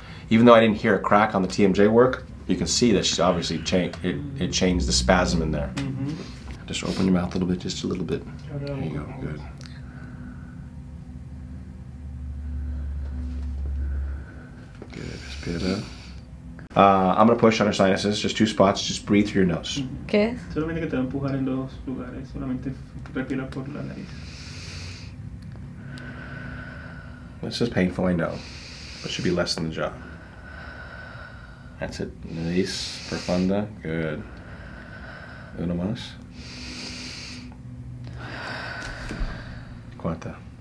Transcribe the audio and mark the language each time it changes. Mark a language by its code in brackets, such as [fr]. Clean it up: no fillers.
[en] Even though I didn't hear a crack on the TMJ work, you can see that she's obviously it changed the spasm in there. Mm-hmm. Just open your mouth a little bit, just a little bit. There you go. Good. Good. Spit up. I'm going to push on her sinuses, just two spots, just breathe through your nose. [es] ¿Qué? Solamente que te va a empujar en dos lugares, solamente respira por la nariz. [en] This is painful, I know, but should be less than the jaw. That's it, [es] nariz, profunda, good. Uno más. ¿Cuánta?